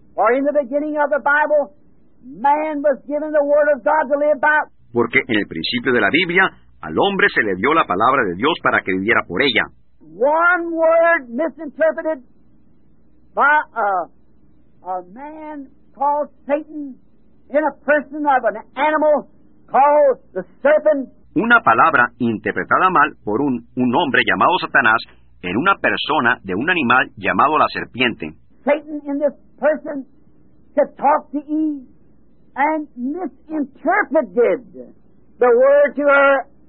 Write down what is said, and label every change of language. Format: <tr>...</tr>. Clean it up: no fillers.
<en>Or in the beginning of the Bible, man was given the word of God to live by.</en> <es>Porque en el principio de la Biblia, al hombre se le dio la palabra de Dios para que viviera por ella.</es> <en>One word misinterpreted by a man called Satan in a person of an animal called the serpent.</en> <es>Una palabra interpretada mal por un hombre llamado Satanás en una persona de un animal llamado la serpiente.</es> <en>Satan in this person could talk to Eve and misinterpreted the word to her.</en>